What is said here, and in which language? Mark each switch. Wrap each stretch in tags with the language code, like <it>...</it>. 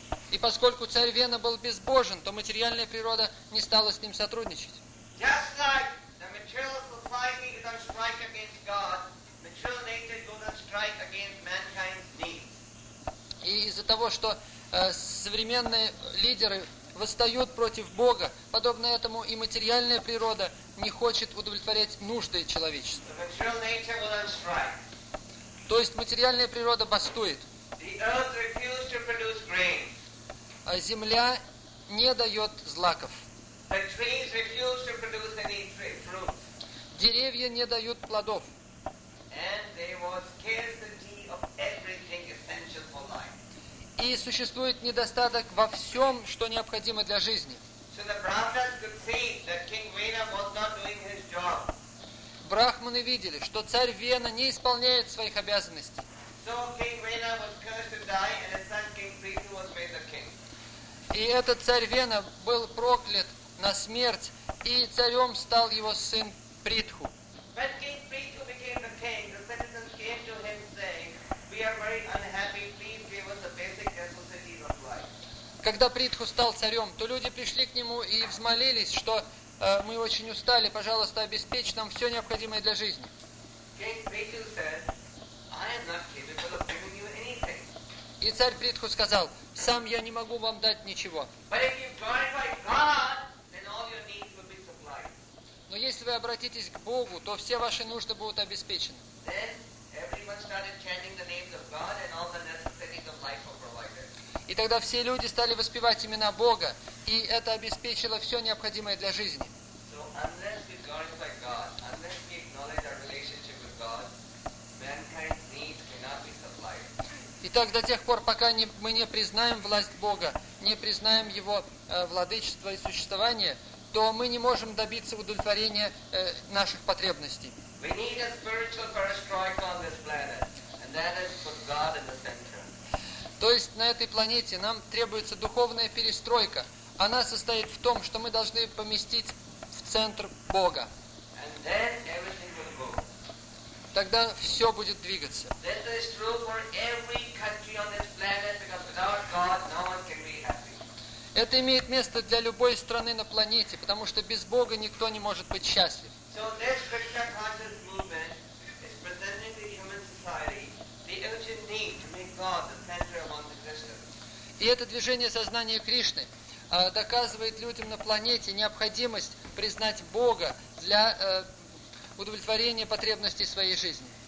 <ru>И поскольку царь Вена был безбожен, то материальная природа не стала с ним сотрудничать.</ru> <en>Just like the material society is on strike against God, material nature does not strike against mankind's needs.</en> <ru>И из-за того, что современные лидеры восстают против Бога, подобно этому и материальная природа не хочет удовлетворять нужды человечества.</ru> <en>The material nature will not strike.</en> <ru>То есть материальная природа бастует.</ru> <en>The earth refuses to produce grain.</en> <ru>А земля не дает злаков.</ru> <en>The trees refuse to produce any fruit.</en> <ru>Деревья не дают плодов.</ru> <en>And there was scarcity of everything essential for life.</en> <ru>И существует недостаток во всем, что необходимо для жизни.</ru> <en>So the Brahmins could see that King Vena was not doing his job.</en> <ru>Брахманы видели, что царь Вена не исполняет своих обязанностей.</ru> <en>So King Vena was cursed to die, and his son King Prithu was made the king.</en> <ru>И этот царь Вена был проклят на смерть, и царем стал его сын Притху.</ru> <en>When King Prithu became the king, the citizens came to him saying, we are very unhappy, please give us the basic necessities of life.</en> <ru>Когда Притху стал царем, то люди пришли к нему и взмолились, что мы очень устали, пожалуйста, обеспечь нам все необходимое для жизни.</ru> <en>King Prithu said, I am not capable of giving you anything.</en> <ru>И царь Притху сказал, сам я не могу вам дать ничего.</ru> <en>But if you glorify God, then all your needs will be supplied.</en> <ru>Но если вы обратитесь к Богу, то все ваши нужды будут обеспечены.</ru> <en>Then everyone started chanting the names of God and all the necessities of life were provided.</en> <ru>И тогда все люди стали воспевать имена Бога, и это обеспечило все необходимое для жизни.</ru> <en>So unless we glorify God, unless we acknowledge our relationship with God, mankind's needs cannot be supplied.</en> <ru>Итак, до тех пор, пока мы не признаем власть Бога, не признаем Его владычество и существование, то мы не можем добиться удовлетворения наших потребностей.</ru> <en>We need a spiritual perestroika on this planet, and that is put God in the center.</en> <ru>То есть на этой планете нам требуется духовная перестройка. Она состоит в том, что мы должны поместить в центр Бога.</ru> <en>And then everything will go.</en> <ru>Тогда все будет двигаться.</ru> <en>This is true for every country on this planet, because without God, no one can be happy.</en> <ru>Это имеет место для любой страны на планете, потому что без Бога никто не может быть счастлив.</ru> <en>So this Krishna conscious movement is presenting to human society the urgent need to make God the center among the Christians.</en> <ru>И это движение сознания Кришны доказывает людям на планете необходимость признать Бога для удовлетворение потребностей своей жизни.</ru>